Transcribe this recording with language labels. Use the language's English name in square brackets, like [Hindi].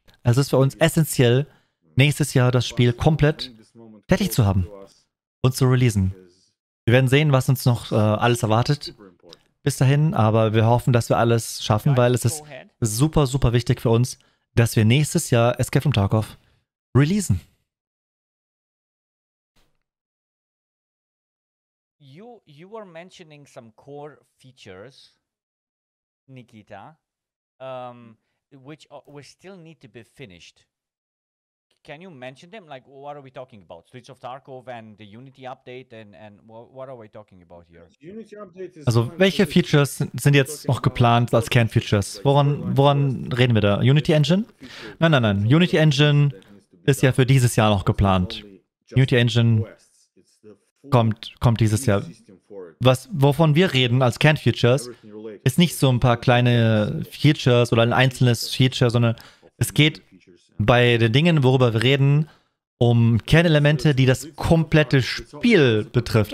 [German] Es ist für uns essentiell, nächstes Jahr das Spiel komplett fertig zu haben und zu releasen. Wir werden sehen, was uns noch alles erwartet bis dahin, aber wir hoffen, dass wir alles schaffen, weil es ist super, super wichtig für uns, dass wir nächstes Jahr Escape from Tarkov releasen. [English] You were mentioning some core features, Nikita, which still need to be finished. Can you mention them? Like, what are we talking about? Streets of Tarkov and the Unity update and what are we talking about here? [German] Also, welche Features sind jetzt noch geplant als Kernfeatures? Woran reden wir da? Unity Engine? Nein. Unity Engine ist ja für dieses Jahr noch geplant. Unity Engine kommt dieses Jahr. Wovon wir reden als Kernfeatures, ist nicht so ein paar kleine Features oder ein einzelnes Feature, sondern es geht bei den Dingen, worüber wir reden, um Kernelemente, die das komplette Spiel betrifft.